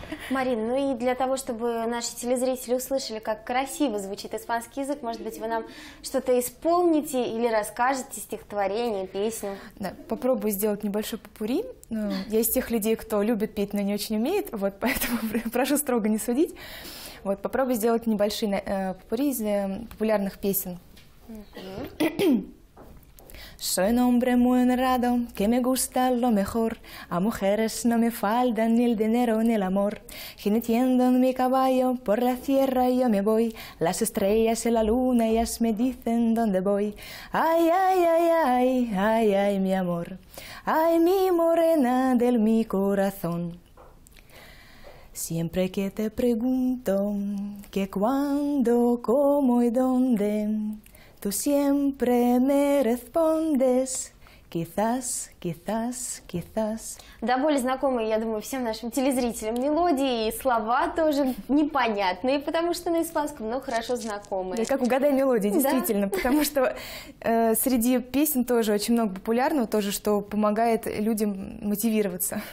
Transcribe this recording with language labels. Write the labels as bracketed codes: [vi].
[ru] Марин, ну и для того, чтобы наши телезрители услышали, как красиво звучит испанский язык, может быть, вы нам что-то исполните или расскажете, стихотворение, песню? Да, попробую сделать небольшой попурри. Ну, я из тех людей, кто любит петь, но не очень умеет, вот, поэтому прошу строго не судить. Вот, попробую сделать небольшие попурри из популярных песен. [es] Soy un hombre muy honrado, que me gusta lo mejor. A mujeres no me faltan ni el dinero ni el amor. Jineteando en mi caballo, por la sierra yo me voy. Las estrellas y la luna, ellas me dicen dónde voy. Ay, ay, ay, ay, ay, ay, mi amor. Ay, mi morena del mi corazón. Siempre que te pregunto, que cuándo, cómo y dónde... Tú siempre me respondes, quizás, quizás, quizás. [ru] Да, более знакомые, я думаю, всем нашим телезрителям мелодии и слова тоже непонятные, потому что на испанском, но хорошо знакомые. Да, как угадай мелодию, действительно, да? Потому что среди песен тоже очень много популярного, тоже, что помогает людям мотивироваться.